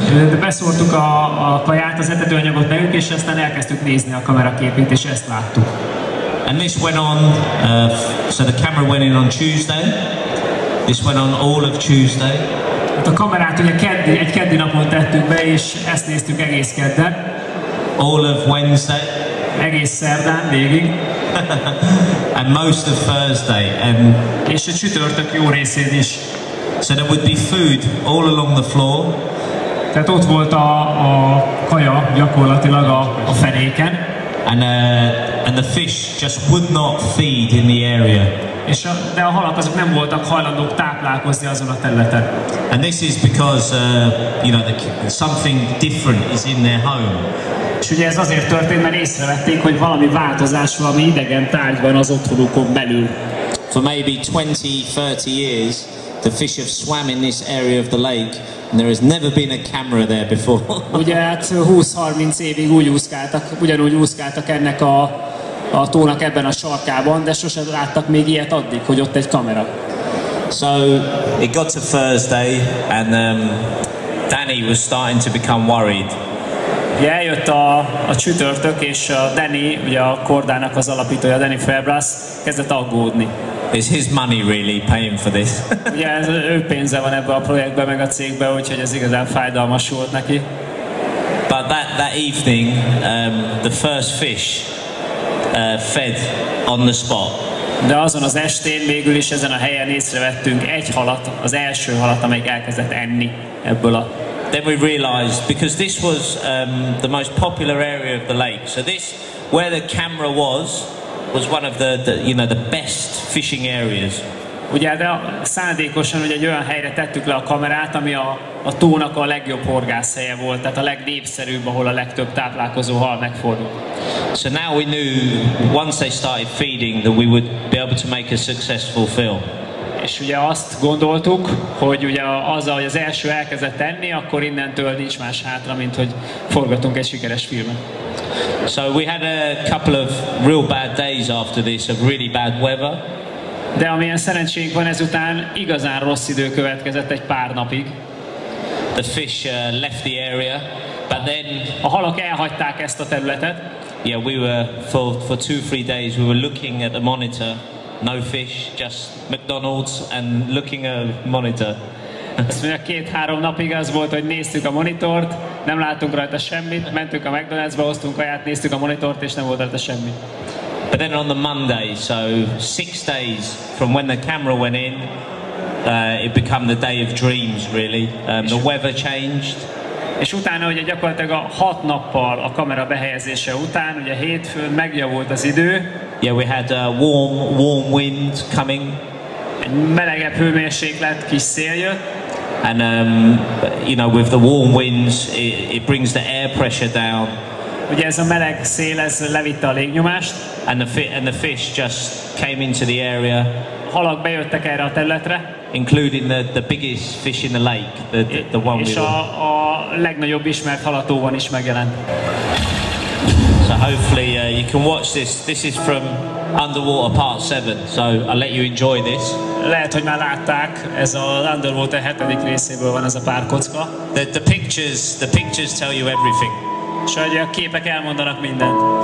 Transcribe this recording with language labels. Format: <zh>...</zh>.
<hu>De beszóltuk a kaját, az etetőanyagot nekünk, és aztán elkezdtük nézni a kameraképét, és ezt láttuk.</hu> <en>And this went on, so the camera went in on Tuesday. This went on all of Tuesday.</en> <hu>Hát a kamerát ugye egy keddi napon tettük be, és ezt néztük egész kedden.</hu> <en>All of Wednesday.</en> <hu>Egész szerdán végig.</hu> <en>And most of Thursday. And</en> <hu>és a csütörtök jó részén is.</hu> <en>So there would be food all along the floor.</en> <hu>Tehát ott volt a kaja gyakorlatilag a fenéken.</hu> <en>And the fish just would not feed in the area.</en> <hu>De a halak azok nem voltak hajlandók táplálkozni azon a területen.</hu> <en>And this is because something different is in their home.</en> <hu>És ugye ez azért történt, mert észrevették, hogy valami változás, valami idegen tárgy van az otthonukon belül.</hu> <en>For maybe 20, 30 years, the fish have swam in this area of the lake, and there has never been a camera there before.</en> <hu>Ugye hát 20-30 évig ugyanúgy úszkáltak ennek a tónak ebben a sarkában, de sosem láttak még ilyet addig, hogy ott egy kamera.</hu> <en>So it got to Thursday, and Danny was starting to become worried.</en> <hu>Ugye eljött a csütörtök, és a Danny, ugye a Kordának az alapítója, Danny Fairbrass, kezdett aggódni.</hu> <en>Is his money really paying for this?</en> <hu>Ugye ez ő pénze van ebben a projektben, meg a cégben, úgyhogy ez igazán fájdalmas volt neki.</hu> <en>But that evening, the first fish fed on the spot.</en> <hu>De azon az estén végül is ezen a helyen észrevettünk egy halat, az első halat, amelyik elkezdett enni ebből a...</hu> <en>Then we realized, because this was the most popular area of the lake, so this, where the camera was one of the best fishing areas.</en> <hu>Ugye, de szándékosan ugye egy olyan helyre tettük le a kamerát, ami a tónak a legjobb horgászhelye volt, tehát a legnépszerűbb, ahol a legtöbb táplálkozó hal megfordul.</hu> <en>So now we knew, once they started feeding, that we would be able to make a successful film.</en> <hu>És ugye azt gondoltuk, hogy ugye azzal, hogy az első elkezdett enni, akkor innentől nincs más hátra, mint hogy forgatunk egy sikeres filmet.</hu> <en>So we had a couple of real bad days after this, of really bad weather.</en> <hu>De amilyen szerencsénk van, ezután igazán rossz idő következett egy pár napig.</hu> <en>The fish left the area, but then</en> <hu>a halak elhagyták ezt a területet.</hu> <en>Yeah, we were for 2-3 days we were looking at the monitor, no fish, just McDonald's and looking at the monitor.</en> <hu>Ez mondja, 2-3 napig az volt, hogy néztük a monitort, nem láttunk rajta semmit, mentünk a McDonald'sba, hoztunk kaját, néztük a monitort és nem volt rajta semmi.</hu> <en>But then on the Monday, so 6 days from when the camera went in, it became the day of dreams really. The weather changed.</en> <hu>És utána ugye gyakorlatilag a 6 nappal a kamera behelyezése után, ugye hétfőn megjavult az idő.</hu> <en>Yeah, we had a warm wind coming.</en> <hu>Egy melegebb hőmérséklet, kis szél jött.</hu> <en>And you know, with the warm winds, it brings the air pressure down.</en> <hu>Ugye ez a meleg szél, ez levitte a légnyomást.</hu> <en>And the fish just came into the area.</en> <hu>Halak bejöttek erre a területre.</hu> <en>Including the biggest fish in the lake, the one</en> <hu>és</hu> <en>we were.</en> <hu>És a legnagyobb ismert halatóban is megjelent.</hu> <en>So hopefully you can watch this. This is from Underwater Part 7, so I'll let you enjoy this.</en> <hu>Lehet, hogy már látták, ez az Underwater 7. részéből van ez a pár kocka.</hu> <en>The pictures tell you everything.</en> <hu>És hogy a képek elmondanak mindent.</hu>